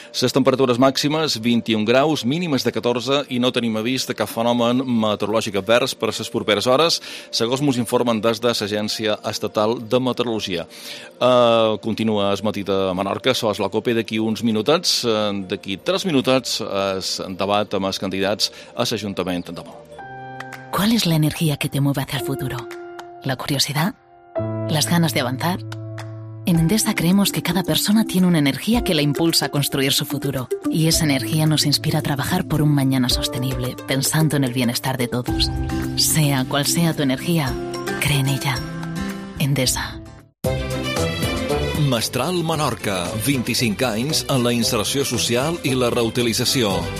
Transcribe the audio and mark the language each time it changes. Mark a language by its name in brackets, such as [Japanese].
[Catalan] Les temperatures màximes 21 graus, mínimes de 14 i no tenim avís de cap fenomen meteorològic advers per a les properes hores, segons ens informen des de l'Agència Estatal de Meteorologia. Continua el matí de Menorca, sols la COPE d'aquí uns minutets, d'aquí 3 minutets es debat amb els candidats a l'Ajuntament. [Spanish] ¿Cuál es la energía que te mueve hacia el futuro? ¿La curiosidad? ¿Las ganas de avanzar? En Endesa creemos que cada persona tiene una energía que la impulsa a construir su futuro. Y esa energía nos inspira a trabajar por un mañana sostenible, pensando en el bienestar de todos. Sea cual sea tu energía, cree en ella. Endesa. [Catalan] Mestral Menorca, 25 anys en la inserció social i la reutilització.